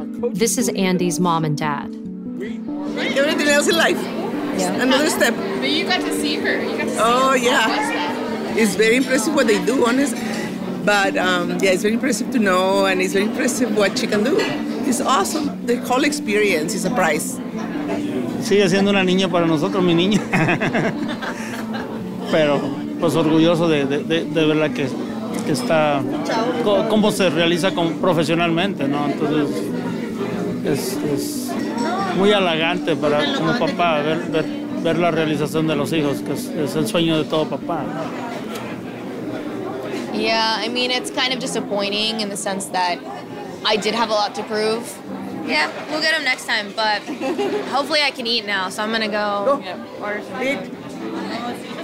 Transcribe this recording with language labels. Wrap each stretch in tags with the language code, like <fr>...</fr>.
<en>This is Andy's mom and dad. Everything else in life. Yeah. Another step. But you got to see her. It's very impressive what they do, honest. But it's very impressive to know, and it's very impressive what she can do. It's awesome. The whole experience is a prize.</en> <es>Sigue siendo una niña para nosotros, mi niña. Pero, pues orgulloso de verla que que está cómo se realiza como profesionalmente, ¿no? Entonces es muy halagante para como papá ver la realización de los hijos, que es el sueño de todo papá, ¿no?</es> <en>Yeah, I mean, it's kind of disappointing in the sense that I did have a lot to prove. Yeah, we'll get them next time, but hopefully I can eat now, so I'm going to go order some.</en>